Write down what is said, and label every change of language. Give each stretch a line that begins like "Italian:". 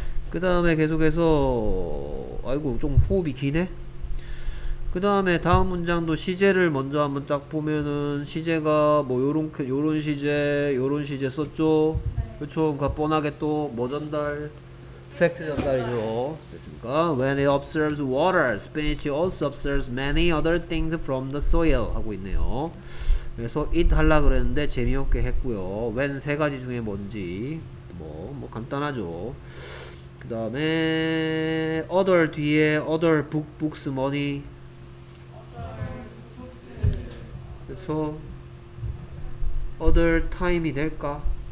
Korean: 그 다음에 계속해서 아이고 좀 호흡이 기네. 그 다음에 다음 문장도 시제를 먼저 한번 딱 보면은 시제가 뭐 요런 시제 요런 시제 썼죠. 그쵸. 그니까 뻔하게 또 뭐 전달? 팩트 전달이죠. 됐습니까?
English: When it observes water, spinach also observes many other things from the soil
Korean: 하고 있네요. 그래서 it 하려 그랬는데 재미없게 했고요. When 세 가지 중에 뭔지 뭐 간단하죠. 그 다음에 other 뒤에 other book, books, money. 그쵸. Other time이 될까?